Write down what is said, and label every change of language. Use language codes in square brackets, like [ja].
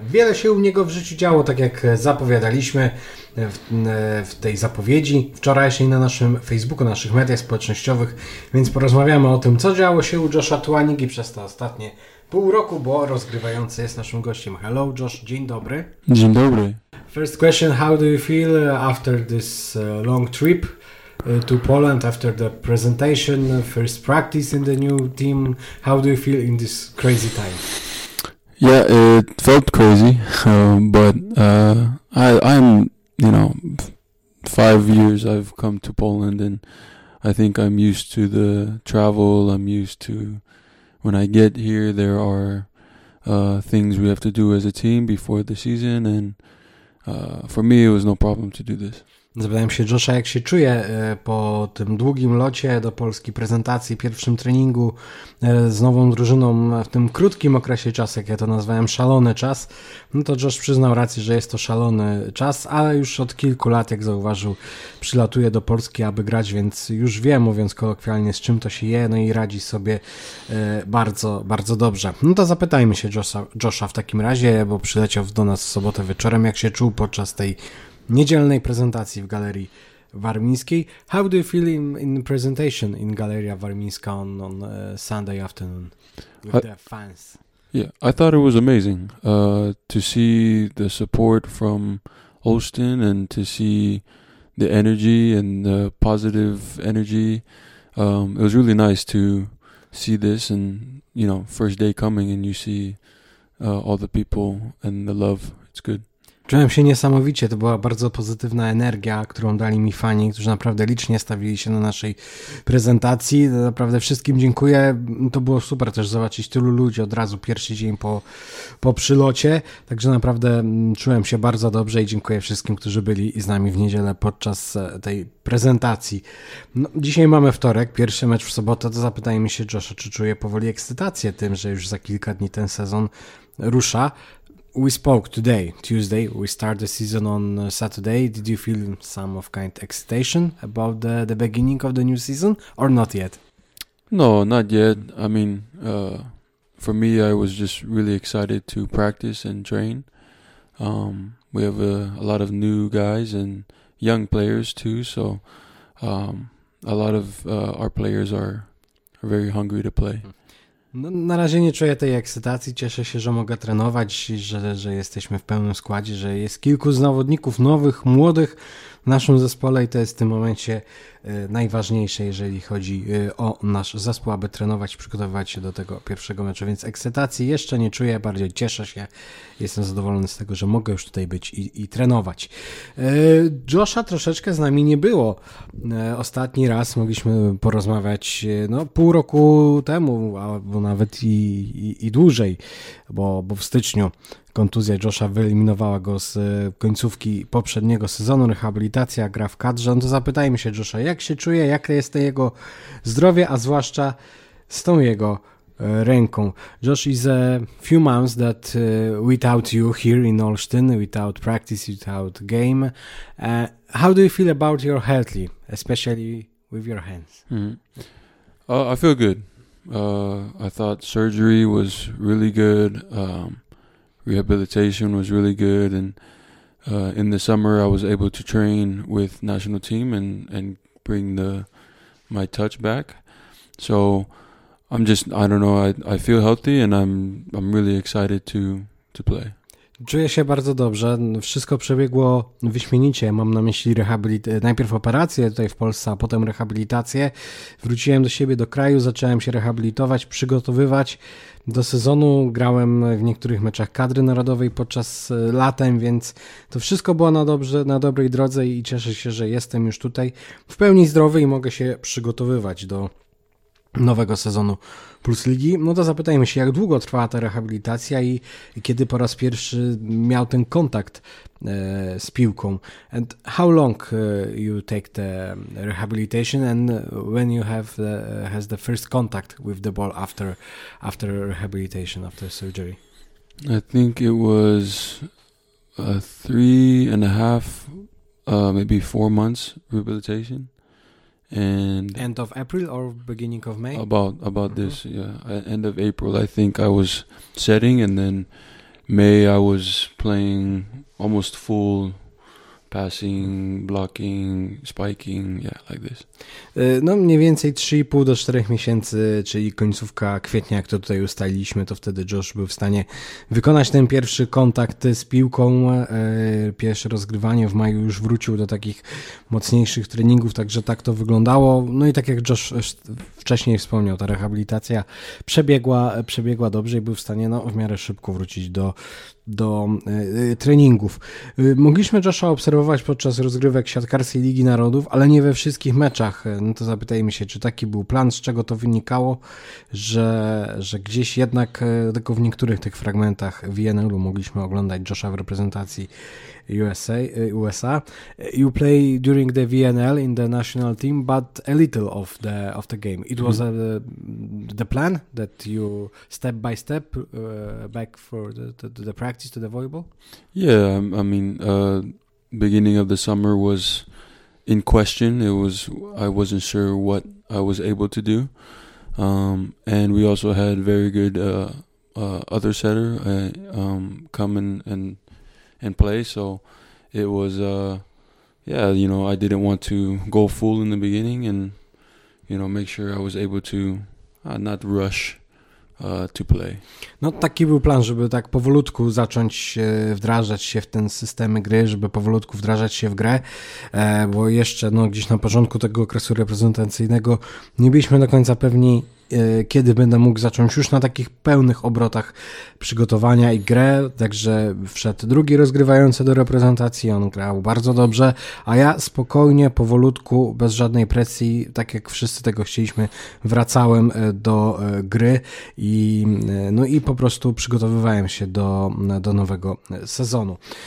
[pl] Wiele się u niego w życiu działo, tak jak zapowiadaliśmy w tej zapowiedzi wczorajszej na naszym Facebooku, naszych mediach społecznościowych, więc porozmawiamy o tym, co działo się u Josha Tuanigi przez te ostatnie pół roku, bo rozgrywający jest naszym gościem. [en] Hello [pl] Josh, dzień dobry. Dzień dobry. [en] First question, how do you feel after this long trip to Poland, after the presentation, first practice in the new team? How do you feel in this crazy time? Yeah, it felt crazy, but I'm, you know, 5 years I've come to Poland, and I think I'm used to the travel. I'm used to, when I get here, there are things we have to do as a team before the season, and for me it was no problem to do this. [pl] Zapytałem się Josha, jak się czuje po tym długim locie do Polski, prezentacji, pierwszym treningu z nową drużyną w tym krótkim okresie czasu, jak ja to nazwałem, szalony czas. No to Josh przyznał rację, że jest to szalony czas, ale już od kilku lat, jak zauważył, przylatuje do Polski, aby grać, więc już wie, mówiąc kolokwialnie, z czym to się je, no i radzi sobie bardzo, bardzo dobrze. No to zapytajmy się Josha w takim razie, bo przyleciał do nas w sobotę wieczorem, jak się czuł podczas tej niedzielnej prezentacji w Galerii Warmińskiej. [en] How do you feel in the presentation in Galeria Warmińska on Sunday afternoon with the fans? Yeah, I thought it was amazing to see the support from Olsztyn and to see the energy and the positive energy. It was really nice to see this and, you know, first day coming and you see all the people and the love. It's good. [pl] Czułem się niesamowicie, to była bardzo pozytywna energia, którą dali mi fani, którzy naprawdę licznie stawili się na naszej prezentacji. Naprawdę wszystkim dziękuję, to było super też zobaczyć tylu ludzi od razu pierwszy dzień po przylocie, także naprawdę czułem się bardzo dobrze i dziękuję wszystkim, którzy byli z nami w niedzielę podczas tej prezentacji. No, dzisiaj mamy wtorek, pierwszy mecz w sobotę, to zapytajmy się Josha, czy czuje powoli ekscytację tym, że już za kilka dni ten sezon rusza. [en] We spoke today, Tuesday. We start the season on Saturday. Did you feel some of kind excitation about the beginning of the new season or not yet? No, not yet. I mean, for me, I was just really excited to practice and train. We have a lot of new guys and young players too. So a lot of our players are very hungry to play. [pl] No, na razie nie czuję tej ekscytacji, cieszę się, że mogę trenować, że jesteśmy w pełnym składzie, że jest kilku zawodników nowych, młodych w naszym zespole i to jest w tym momencie najważniejsze, jeżeli chodzi o nasz zespół, aby trenować, przygotowywać się do tego pierwszego meczu, więc ekscytacji jeszcze nie czuję, bardziej cieszę się, jestem zadowolony z tego, że mogę już tutaj być i trenować. Josha troszeczkę z nami nie było. Ostatni raz mogliśmy porozmawiać no, pół roku temu, albo nawet i dłużej, bo w styczniu kontuzja Josha wyeliminowała go z końcówki poprzedniego sezonu, rehabilitacja, gra w kadrze. No to zapytajmy się Josha, jak się czuje, jakie jest to jego zdrowie, a zwłaszcza z tą jego ręką. [en] Josh is a few months that without you here in Olsztyn, without practice, without game. How do you feel about your health, especially with your hands? I feel good. I thought surgery was really good. Rehabilitation was really good, and in the summer I was able to train with national team and bring my touch back. So I feel healthy and I'm really excited to play. [pl] Czuję się bardzo dobrze. Wszystko przebiegło wyśmienicie. Mam na myśli najpierw operację tutaj w Polsce, a potem rehabilitację. Wróciłem do siebie, do kraju, zacząłem się rehabilitować, przygotowywać do sezonu. Grałem w niektórych meczach kadry narodowej podczas latem, więc to wszystko było na dobrej drodze i cieszę się, że jestem już tutaj w pełni zdrowy i mogę się przygotowywać do nowego sezonu Plus Ligi. No to zapytajmy się, jak długo trwała ta rehabilitacja i kiedy po raz pierwszy miał ten kontakt z piłką. [en] And how long you take the rehabilitation and when you have has the first contact with the ball after rehabilitation, after surgery? I think it was 3.5, maybe 4 months rehabilitation. And end of April or beginning of May? About mm-hmm. this, yeah. End of April, I think I was setting, and then May I was playing almost full, passing, blocking, spiking, yeah, like this. [pl] No mniej więcej 3,5 do 4 miesięcy, czyli końcówka kwietnia, jak to tutaj ustaliliśmy, to wtedy Josh był w stanie wykonać ten pierwszy kontakt z piłką, pierwsze rozgrywanie w maju, już wrócił do takich mocniejszych treningów, także tak to wyglądało. No i tak jak Josh wcześniej wspomniał, ta rehabilitacja przebiegła dobrze i był w stanie no, w miarę szybko wrócić do treningów. Mogliśmy Josha obserwować podczas rozgrywek siatkarskiej Ligi Narodów, ale nie we wszystkich meczach. No to zapytajmy się, czy taki był plan, z czego to wynikało, że gdzieś jednak tylko w niektórych tych fragmentach w INL-u mogliśmy oglądać Josha w reprezentacji USA. [en] You play during the VNL in the national team, but a little of the game. It was the plan that you step by step back for the practice to the volleyball. Yeah, I mean, beginning of the summer was in question. I wasn't sure what I was able to do, and we also had very good other setter come and play, so it was I didn't want to go full in the beginning and make sure I was able to not rush to play. [pl] No taki był plan, żeby tak powolutku zacząć wdrażać się w ten system gry, żeby powolutku wdrażać się w grę, bo jeszcze no gdzieś na początku tego okresu reprezentacyjnego nie byliśmy do końca pewni, kiedy będę mógł zacząć już na takich pełnych obrotach przygotowania i grę, także wszedł drugi rozgrywający do reprezentacji, on grał bardzo dobrze, a ja spokojnie, powolutku, bez żadnej presji, tak jak wszyscy tego chcieliśmy, wracałem do gry i, no i po prostu przygotowywałem się do nowego sezonu.